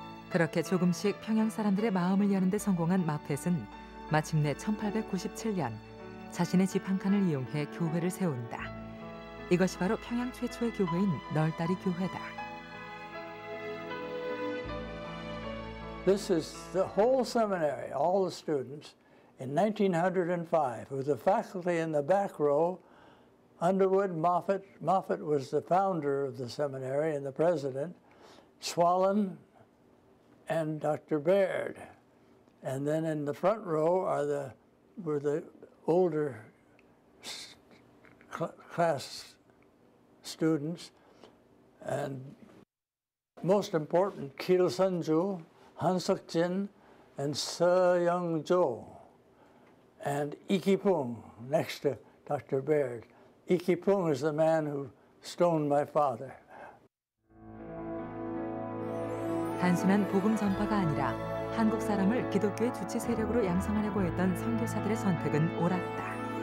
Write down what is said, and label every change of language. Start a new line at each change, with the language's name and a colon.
Korean: 그렇게 조금씩 평양 사람들의 마음을 여는 데 성공한 마펫은 마침내 1897년 자신의 집 한 칸을 이용해 교회를 세운다. 이것이 바로 평양 최초의 교회인 널다리 교회다.
English: This is the whole seminary, all the students, in 1905. With the faculty in the back row, Underwood, Moffat. Moffat was the founder of the seminary and the president. Swallen and Dr. Baird. And then in the front row were the older class students, and most important, Kil Sun-ju, Han Suk-jin, and Seo-young-jo, and Ikipung next to Dr. Baird. Ikipung is the man who stoned my father.
Korean: 단순한 복음 전파가 아니라 한국 사람을 기독교의 주체 세력으로 양성하려고 했던 선교사들의 선택은 옳았다.